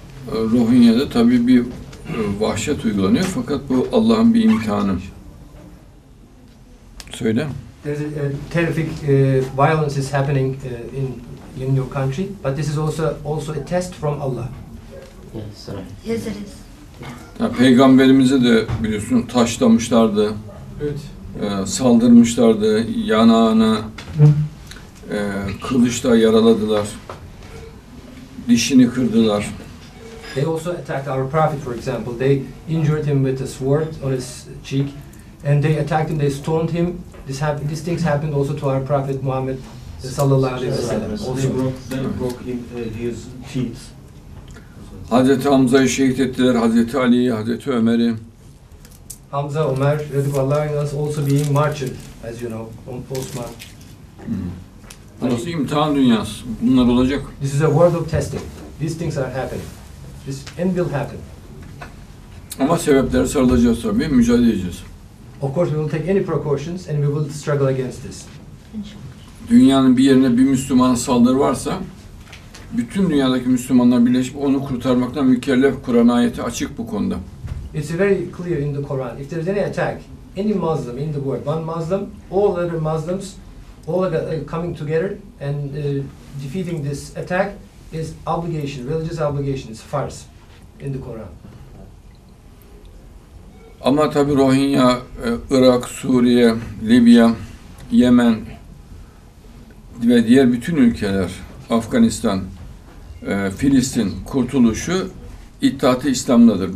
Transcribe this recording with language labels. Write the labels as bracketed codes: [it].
[tr] Rohingya'da tabii bir vahşet uygulanıyor fakat bu Allah'ın bir imtihanı. Söyle. [en] There's a terrific violence is happening in your country, but this is also a test from Allah. Yes, sir. Yes, it is. [tr] Peygamberimize de biliyorsun taşlamışlardı, evet. Saldırmışlardı, yanağına kılıçla yaraladılar, dişini kırdılar. [en] They also attacked our prophet, for example. They injured him with a sword on his cheek, and they attacked him. They stoned him. These things happened also to our prophet Muhammad sallallahu aleyhi ve sellem. Also broke his teeth. [tr] Hazreti Hamza'yı şehit ettiler, Hazreti Ali'yi, Hazreti Ömer'i. [en] Hamza, Ömer, radıyallahu anh, also being martyred, as you know, on post-mart. [tr] Burası imtihan dünyası. Bunlar olacak. [en] This is a world of testing. These things are happening. This end will happen. [tr] Ama sebeplere sarılacağız tabii, mücadele edeceğiz. [en] Of course, we will take any precautions and we will struggle against this. [tr] Dünyanın bir yerine bir Müslüman saldırı varsa, bütün dünyadaki Müslümanlar birleşip onu kurtarmaktan mükellef. Kur'an ayeti açık bu konuda. [en] It's very clear in the Quran. If there is any attack, any Muslim in the world, one Muslim, all other Muslims, all coming together and defeating this attack is obligation, religious obligation. It's farz in the Quran. [tr] Ama tabii Rohingya, Irak, Suriye, Libya, Yemen ve diğer bütün ülkeler, Afganistan, Filistin kurtuluşu İttihat-ı İslam'dadır.